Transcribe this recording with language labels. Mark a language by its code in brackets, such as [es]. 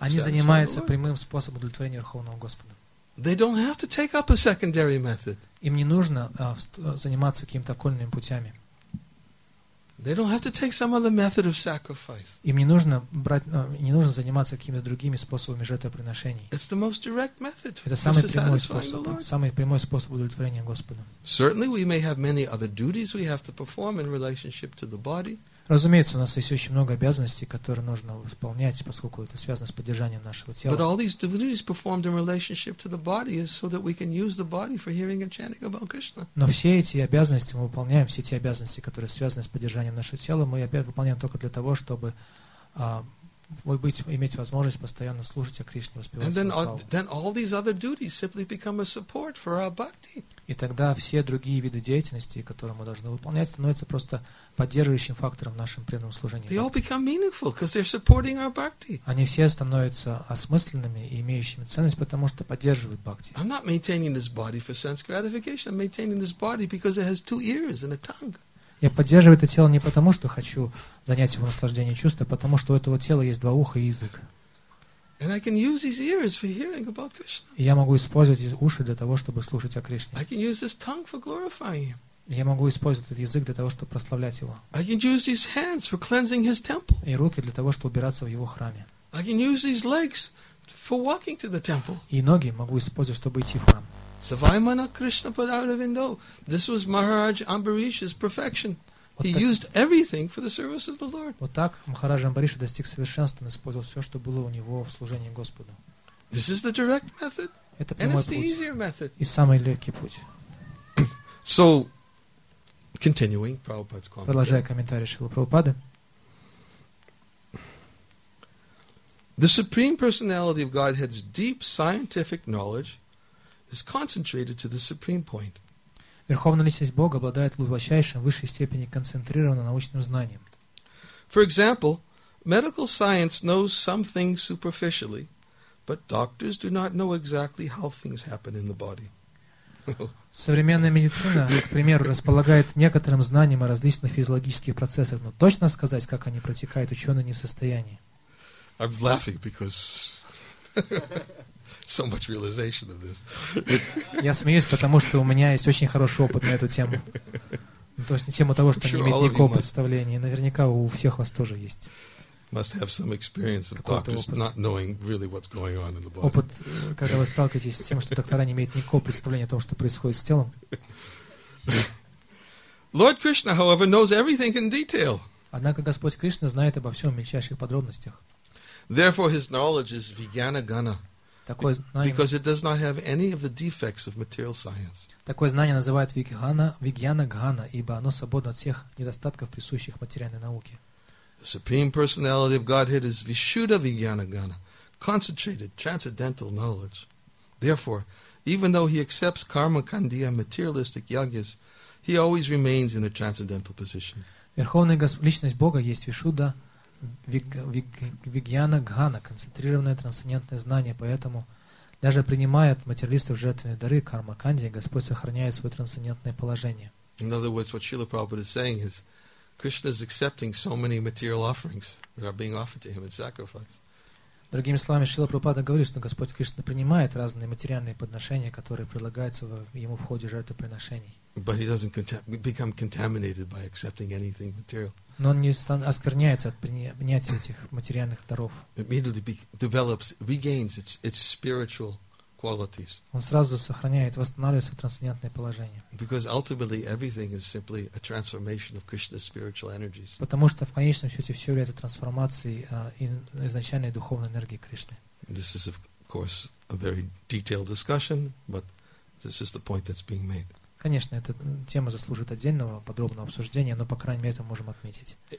[ru] Они занимаются прямым способом удовлетворения Верховного Господа. [en] They don't have to take up a secondary method. [ru] Им не нужно заниматься какими-то окольными путями. [en] They don't have to take some other method of sacrifice. [ru] Им не нужно заниматься какими-то другими способами жертвоприношений. [en] It's the most direct method. [ru] Это самый прямой способ удовлетворения Господа. [en] Certainly, we may have many other duties we have to perform in relationship to the body. [ru] Разумеется, у нас есть очень много обязанностей, которые нужно исполнять, поскольку это связано с поддержанием нашего тела. [en] But all these duties performed in relationship to the body is so that we can use the body for hearing and chanting about Krishna. [ru] Но все эти обязанности мы выполняем, все эти обязанности, которые связаны с поддержанием нашего тела, мы опять выполняем только для того, чтобы иметь возможность постоянно служить о Кришне, воспевать Его славу. [en] Then all these other duties simply become a support for our bhakti. [ru] И тогда все другие виды деятельности, которые мы должны выполнять, становятся просто поддерживающим фактором в нашем преданном служении. [en] They all become meaningful because they're supporting our bhakti. [ru] Они все становятся осмысленными и имеющими ценность, потому что поддерживают бхакти. [en] I'm not maintaining this body for sense gratification. I'm maintaining this body because it has two ears and a tongue. [ru] Я поддерживаю это тело не потому, что хочу занять его наслаждение чувства, а потому что у этого тела есть два уха и язык. [en] And I can use these ears for hearing about Krishna. [ru] Я могу использовать уши для того, чтобы слушать о Кришне. [en] I can use this tongue for glorifying him. [ru] Я могу использовать этот язык для того, чтобы прославлять его. [en] I can use these hands for cleansing his temple. [ru] И руки для того, чтобы убираться в его храме. [en] I can use these legs for walking to the temple. [ru] И ноги могу использовать, чтобы идти в храм. [sa] Savaimana Krishna Padaravindo. [en] This was Maharaj Ambarish's perfection. He used everything for the service of the Lord. [ru] Вот так Махарадж Амбариша достиг совершенства, использовал все, что было у него в служении Господу. [en] This is the direct method. [ru] Это прямой путь. [en] And it's the easier method. [ru] И самый легкий путь. [en] So, continuing Prabhupada's commentary. [ru] Продолжая комментарий Шрилы Прабхупады. [en] The Supreme Personality of Godhead's deep scientific knowledge is concentrated to the supreme point. [ru] Верховная личность Бога обладает глубочайшим, высшей степени концентрированным научным знанием. [en] For example, medical science knows some things superficially, but doctors do not know exactly how things happen in the body. [ru] Современная медицина, к примеру, располагает некоторым знанием о различных физиологических процессах, но точно сказать, как они протекают, ученые не в состоянии. [en] I'm laughing because so much realization of this. [ru] Я смеюсь, потому что у меня есть очень хороший опыт на эту тему. Ну, то есть на тему того, что не имеет никакого представления. И наверняка у всех вас тоже есть. [en] must have some experience of doctors not knowing really what's going on in the body. [ru] Опыт, когда вы сталкиваетесь с тем, что доктора не имеют никакого представления о том, что происходит с телом. [en] Lord Krishna, however, knows everything in detail. [ru] Однако Господь Кришна знает обо всем в мельчайших подробностях. [en] Therefore, his knowledge is vijnanagana. [ru] Такое знание, [en] because it does not have any of the defects of material science. [ru] Такое знание называют вигьяна-гхана, ибо оно свободно от всех недостатков, присущих материальной науке. [en] The Supreme Personality of Godhead is Vishuddha Vijnanagana, concentrated, transcendental knowledge. Therefore, even though he accepts karma-kandiya, materialistic yagyas, he always remains in a transcendental position. [ru] Верховная личность Бога есть Вишудда Вигьяна-гхана, концентрированное трансцендентное знание, поэтому даже принимая от материалистов жертвенные дары карма-канди, Господь сохраняет свое трансцендентное положение. [en] In other words, what Srila Prabhupada is saying is Krishna is accepting so many material offerings that are being offered to him in sacrifice. [ru] Другими словами, Шрила Прабхупада говорит, что Господь Кришна принимает разные материальные подношения, которые предлагаются ему в ходе жертвоприношений. [en] But he doesn't become contaminated by accepting anything material. [ru] Но он не оскверняется от принятия этих материальных даров. [en] Immediately develops, regains its spiritual qualities. [ru] Он сразу сохраняет, восстанавливает свое трансцендентное положение. [en] Because ultimately everything is simply a transformation of Krishna's spiritual energies. [ru] Потому что в конечном счете все является трансформацией изначальной духовной энергии Кришны. [en] This is of course a very detailed discussion, but this is the point that's being made. [ru] Конечно, эта тема заслуживает отдельного подробного обсуждения, но, по крайней мере, это можем отметить.